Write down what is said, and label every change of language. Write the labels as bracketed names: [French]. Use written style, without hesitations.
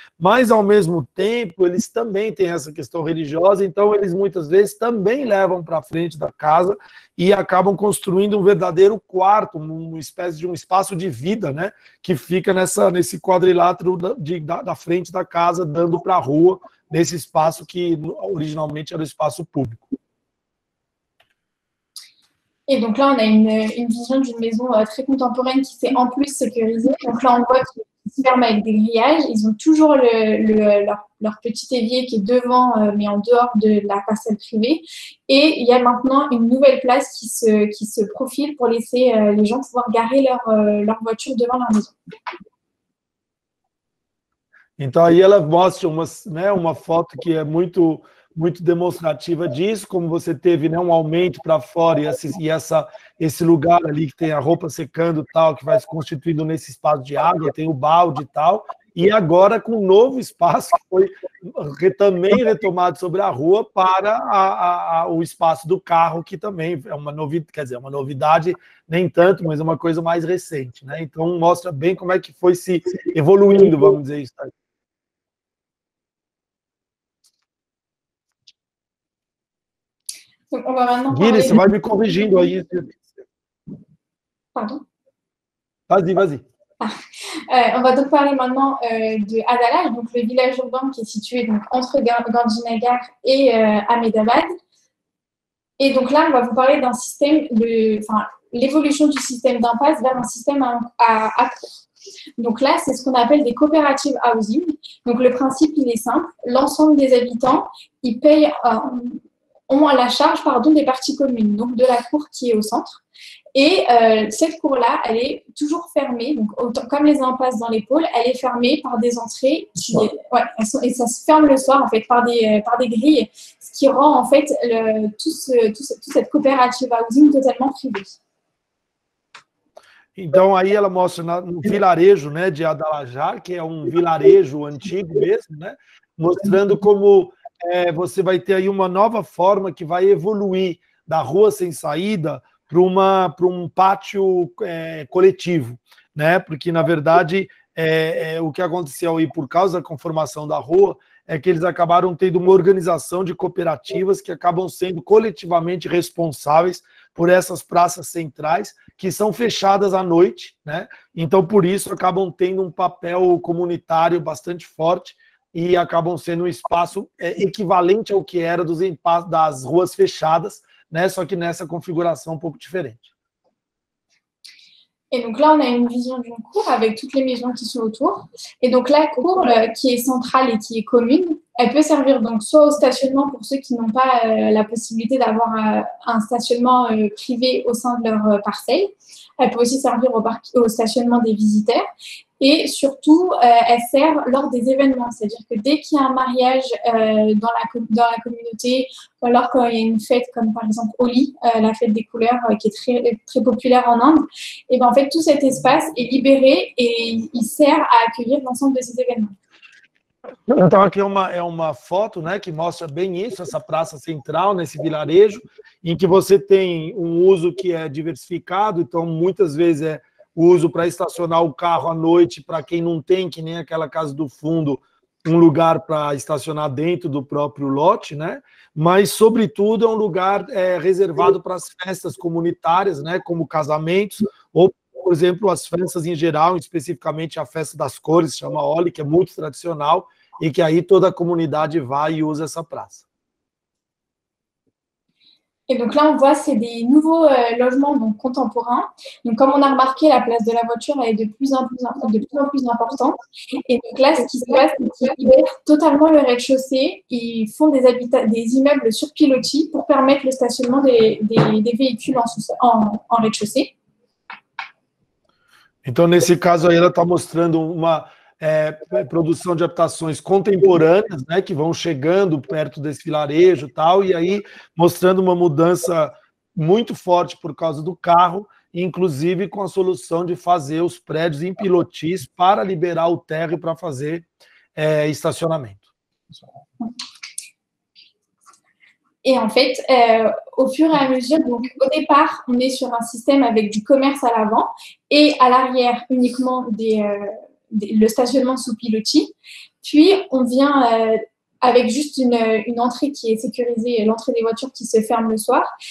[Portuguese] Mas, ao mesmo tempo, eles também têm essa questão religiosa, então eles muitas vezes também levam para frente da casa e acabam construindo um verdadeiro quarto, uma espécie de um espaço de vida, né, que fica nessa, nesse quadrilátero da frente da casa, dando para a rua, nesse espaço que originalmente era o espaço público. [French] Et donc là, on a une vision d'une maison très contemporaine qui s'est en plus sécurisée. Donc là, on voit qu'ils se ferment avec des grillages. Ils ont toujours leur petit évier qui est devant, mais en dehors de la parcelle privée. Et il y a maintenant une nouvelle place qui se profile pour laisser les gens pouvoir garer leur voiture devant leur maison. [Portuguese] Donc, aí ela mostra uma foto [French] qui est [Portuguese] muito... muito demonstrativa disso, como você teve, né, um aumento para fora e esse lugar ali que tem a roupa secando e tal, que vai se constituindo nesse espaço de água, tem o balde e tal, e agora com um novo espaço que foi também retomado sobre a rua para o espaço do carro, que também é uma novidade, quer dizer, uma novidade nem tanto, mas é uma coisa mais recente, né? Então mostra bem como é que foi se evoluindo, vamos dizer isso aí. [French] Donc, on va maintenant parler... [Portuguese] Guilherme, vai me corrigindo aí. [French] Pardon? Vas-y. On va donc parler maintenant de Adalaj, donc le village urbain qui est situé donc, entre Gandhinagar et Ahmedabad. Et donc là, on va vous parler d'un système, l'évolution du système d'impasse vers un système à court. Donc là, c'est ce qu'on appelle des coopératives housing. Donc le principe, il est simple. L'ensemble des habitants, ils payent... ont à la charge, pardon, des parties communes, donc de la cour qui est au centre. Et cette cour-là, elle est toujours fermée, donc autant, comme les impasses dans les pôles, elle est fermée par des entrées, et ça se ferme le soir, en fait, par des grilles, ce qui rend, en fait, toute cette coopérative housing totalement privée. [Portuguese] Então, aí ela mostra no vilarejo, né, de Adalajar, que é um vilarejo antigo mesmo, né, mostrando como... você vai ter aí uma nova forma que vai evoluir da rua sem saída para um pátio coletivo, né? Porque, na verdade, o que aconteceu aí por causa da conformação da rua é que eles acabaram tendo uma organização de cooperativas que acabam sendo coletivamente responsáveis por essas praças centrais que são fechadas à noite, né? Então, por isso, acabam tendo um papel comunitário bastante forte e acabam sendo um espaço equivalente ao que era dos impasses das ruas fechadas, né? Só que nessa configuração um pouco diferente. [French] Et donc là on a une vision d'une cour avec toutes les maisons qui sont autour. Et donc la cour qui est centrale et qui est commune, elle peut servir donc soit au stationnement pour ceux qui n'ont pas la possibilité d'avoir un stationnement privé au sein de leur parcelle. Elle peut aussi servir au stationnement des visiteurs. Et surtout, elle sert lors des événements, c'est-à-dire que dès qu'il y a un mariage dans la communauté, ou alors quand il y a une fête comme par exemple Holi, la fête des couleurs qui est très, très populaire en Inde, et bien en fait tout cet espace est libéré et il sert à accueillir l'ensemble de ces événements. Então, aqui é uma foto, né, que mostra bem isso, essa praça central, nesse vilarejo, em que você tem um uso que é diversificado, então muitas vezes é o uso para estacionar o carro à noite, para quem não tem, que nem aquela casa do fundo, um lugar para estacionar dentro do próprio lote, né? Mas, sobretudo, é um lugar reservado para as festas comunitárias, né, como casamentos, ou, por exemplo, as festas em geral, especificamente a festa das cores, chama Holi, que é muito tradicional, e que aí toda a comunidade vai e usa essa praça. Et donc là, on voit, c'est des nouveaux logements donc contemporains. Donc, comme on a remarqué, la place de la voiture est de plus en plus importante. Et donc là, ce qui se passe, c'est qu'ils libèrent totalement le rez-de-chaussée. Ils font des immeubles sur pilotis pour permettre le stationnement des véhicules en rez-de-chaussée. [Portuguese] Donc, nesse caso, aí, ela está mostrando uma produção de habitações contemporâneas, né, que vão chegando perto desse vilarejo e tal, e aí mostrando uma mudança muito forte por causa do carro, inclusive com a solução de fazer os prédios em pilotis para liberar o térreo para fazer estacionamento. [French] Et en fait, au fur et à mesure, donc au départ, on est sur un système avec du commerce à l'avant et à l'arrière uniquement le stationnement sous pilotis. Puis, on vient avec juste une entrée qui est sécurisée, l'entrée des voitures qui se ferme le soir.